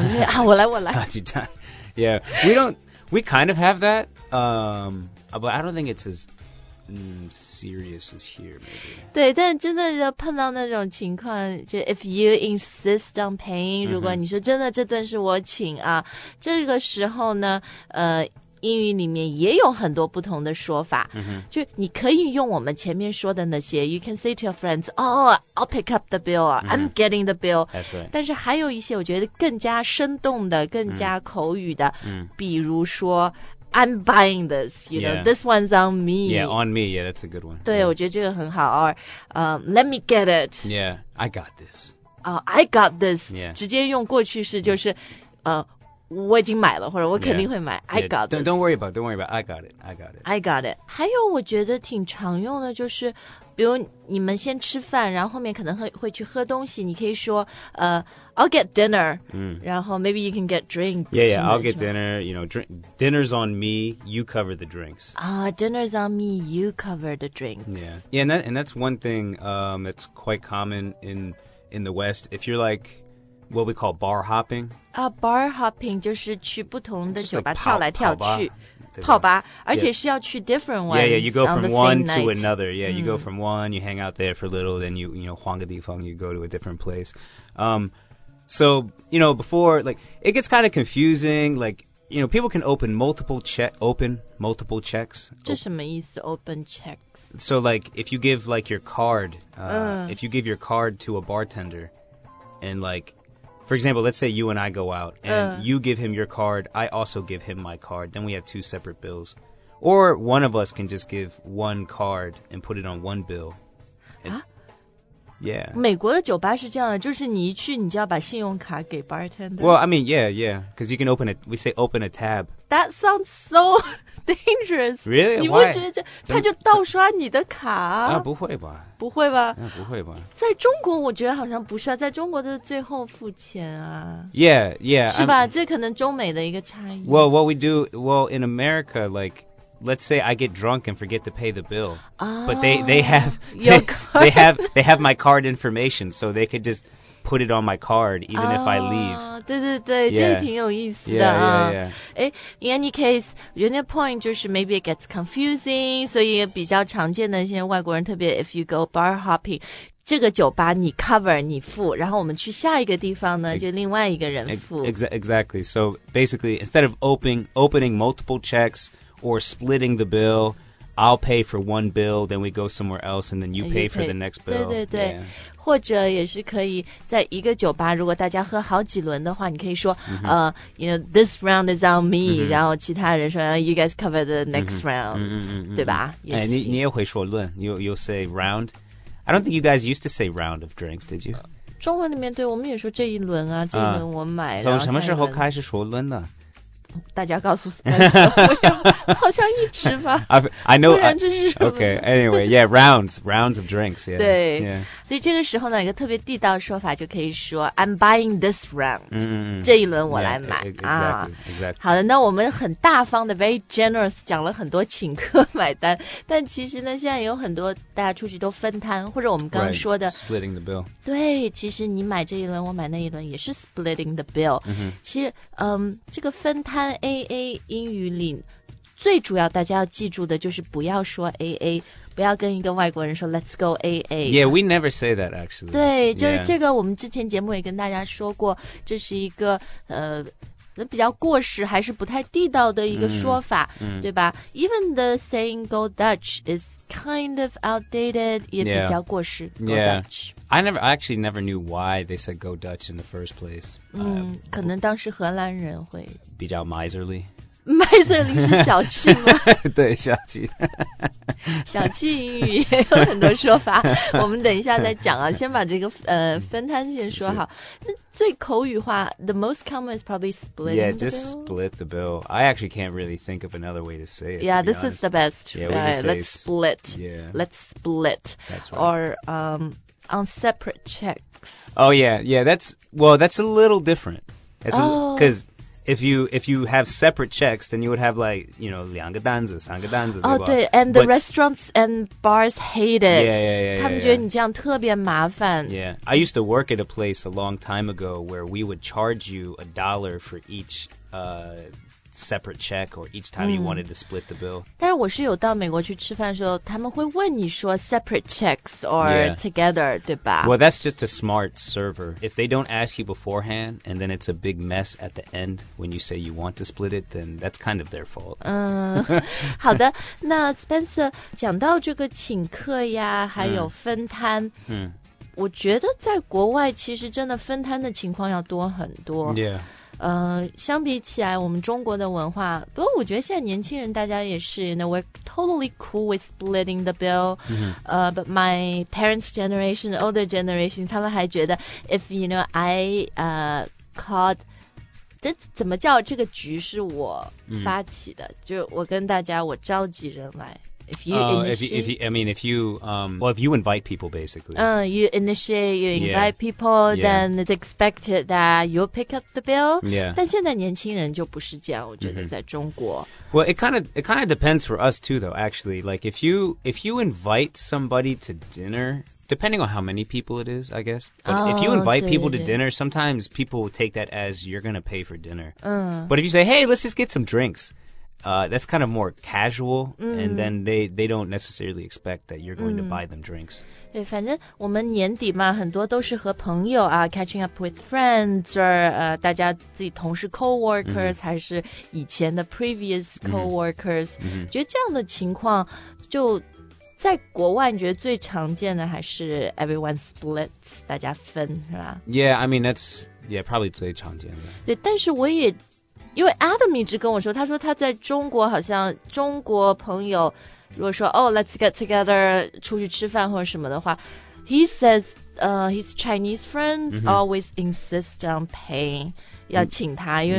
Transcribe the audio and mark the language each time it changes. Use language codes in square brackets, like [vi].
[en] yeah. [zh] 啊我来拉锯战 [en] yeah we don't we kind of have that but I don't think it's as、serious as here maybe [zh] 对但真的就碰到那种情况就 [en] if you insist on paying、 [zh] mm-hmm. 如果你说真的这顿是我请啊这个时候呢英语里面也有很多不同的说法、 mm-hmm. 就你可以用我们前面说的那些 [en] You can say to your friends Oh, I'll pick up the bill、mm-hmm. I'm getting the bill That's right [zh] 但是还有一些我觉得更加生动的更加口语的、 mm-hmm. 比如说 [en] I'm buying this You know,、 yeah. this one's on me Yeah, on me Yeah, that's a good one [zh] 对、 [en] yeah. [zh] 我觉得这个很好 [en] Or、let me get it Yeah, I got this I got this、 yeah. [zh] 直接用过去式就是、mm-hmm. 我已经买了或者我肯定会买 [en] yeah, I got it Don't worry about I got it [zh] 还有我觉得挺常用的就是比如你们先吃饭然后后面可能 会去喝东西你可以说 [en] I'll get dinner、 [zh] 嗯、然后 [en] maybe you can get drinks Yeah yeah I'll get dinner You know dinner's on me You cover the drinks Dinner's on me You cover the drinks Yeah, yeah and that's one thing That's quite common in the west If you're likeWhat we call bar hopping? [zh] Bar hopping 就是去不同的酒吧、 [en] like、 [zh] 跳来跳去。泡吧而且是要去 [en] different ones Yeah, yeah, you go from on one to another. Yeah, you go from one, you hang out there for a little, then you, you know, [zh] 换个地方, [en] you go to a different place. So, you know, before, like, it gets kind of confusing. Like, you know, people can open multiple, open multiple checks. [zh] 这什么意思, open checks? [en] So, like, if you give, like, your card, if you give your card to a bartender and, like,For example, let's say you and I go out, and you give him your card, I also give him my card, then we have two separate bills. Or one of us can just give one card and put it on one bill. Yeah. [zh] 美国的酒吧是这样的，就是你一去，你就要把信用卡给 bartender. [en] Well, I mean, yeah, yeah, because you can open it, we say open a tab. That sounds so dangerous. Really? [zh] 你不觉得他就盗刷你的卡？不会吧。不会吧、不会吧。在中国我觉得好像不是啊，在中国的最后付钱啊。 [en] Yeah, yeah. [zh] 是吧？这可能中美的一个差异。 [en] Well, what we do, well, in America, like,Let's say I get drunk and forget to pay the bill, but they have my card information, so they could just put it on my card even if I leave. [zh] 对对对，这也挺有意思的啊。 [en] In any case, your point [zh] 就是 [en] maybe it gets confusing, [zh] 所以比较常见的现在外国人特别 [en] if you go bar hopping. [zh] 这个酒吧你 cover 你付然后我们去下一个地方呢就另外一个人付 [en] Exactly So basically instead of opening multiple checks or splitting the bill I'll pay for one bill then we go somewhere else and then you pay for the next bill [zh] 对对对、 [en] yeah. [zh] 或者也是可以在一个酒吧如果大家喝好几轮的话你可以说、mm-hmm. [en] You know this round is on me、mm-hmm. [zh] 然后其他人说 [en] You guys cover the next round、 mm-hmm. [zh] 对吧、哎、你也会说论 [en] You'll say roundI don't think you guys used to say round of drinks, did you? [zh] 中文里面对我们也说这一轮啊这一轮我买从什么时候开始说轮呢大家告诉 Spencer, 好像一直吧 [en] I know, [zh] 不然这是什么 [en] Okay, anyway, yeah, rounds of drinks, yeah. [zh] 对 [en] yeah. [zh] 所以这个时候呢一个特别地道的说法就可以说 [en] I'm buying this round,、 [zh] 这一轮我来买 [en] yeah, exactly. [zh] 好的那我们很大方的 [en] very generous [zh] 讲了很多请客买单但其实呢现在有很多大家出去都分摊，或者我们刚刚说的 [en] right, splitting the bill. [zh] 对，其实你买这一轮，我买那一轮，也是 [en] splitting the bill.、 Mm-hmm. [zh] 其实，这个分摊 AA 英语里最主要大家要记住的就是不要说 AA， 不要跟一个外国人说 [en] Let's go AA。 Yeah, we never say that actually. [zh] 对，就是这个，我们之前节目也跟大家说过，这是一个比较过时还是不太地道的一个说法、嗯、 [en] 对吧、嗯、Even the saying go Dutch is kind of outdated [zh] 也比较过时 [en] yeah. Go Dutch yeah. I actually never knew why they said go Dutch in the first place、 [zh] 可能当时荷兰人会比较 miserly Miserly 是小气吗对小气小气英语也有很多说法我们等一下再讲啊先把这个分摊先说好最口语化 [en] The most common is probably splitting yeah, the bill Yeah, just split the bill I actually can't really think of another way to say it Yeah, to this、 honest. is the best yeah, right, say, Let's split Yeah. Let's split That's right Or on separate checks Oh yeah, yeah, that's Well, that's a little different that's Because If you have separate checks, then you would have like, you know, [zh] 两个单子三个单子 [en] Oh, [zh] 对 [en] and the restaurants and bars hate it. Yeah. [zh] 他们觉得你这样特别麻烦 [en] Yeah. I used to work at a place a long time ago where we would charge you a dollar for each separate check or each time you wanted to split the bill. [zh] 但是我是有到美国去吃饭的时候他们会问你说 [en] separate checks or together, [zh] 对吧 [en] Well, that's just a smart server. If they don't ask you beforehand and then it's a big mess at the end when you say you want to split it, then that's kind of their fault. [zh] 好的那 Spencer, 讲到这个请客呀还有分摊我觉得在国外其实真的分摊的情况要多很多 [en] Yeah. [zh] 相比起来我们中国的文化不过我觉得现在年轻人大家也是 [en] you know, we're totally cool with splitting the bill、but my parents generation older generation [zh] 他们还觉得 [en] if you know I called [zh] 这怎么叫这个局是我发起的、就我跟大家我召集人来 [en] If you invite people, basically. You initiate, you invite people, then it's expected that you'll pick up the bill. Yeah. [zh] 但现在年轻人就不是这样，我觉得在中国。 [en] Well, it kind of depends for us too, though. Actually, like if you invite somebody to dinner, depending on how many people it is, I guess. But if you invite [zh] 对 [en] people to dinner, sometimes people will take that as you're gonna pay for dinner. [zh] 嗯。 [en] But if you say, hey, let's just get some drinks. That's kind of more casual, and then they don't necessarily expect that you're going to buy them drinks. [zh] 对，反正我们年底嘛，很多都是和朋友啊 [en] catching up with friends, or [zh] 大家自己同事 [en] coworkers, [zh] 还是以前的 [en] previous coworkers. [zh] 觉得这样的情况就在国外，你觉得最常见的还是 [en] everyone splits, [zh] 大家分是吧 [en] ？Yeah, I mean that's yeah probably [zh] 最常见的。对，但是我也。因为 Adam 一直跟我说，他说他在中国好像中国朋友如果说 [en] Oh, let's get together [zh] 出去吃饭或者什么的话 [en] He says his Chinese friends always insist on paying [zh] 要请他，因为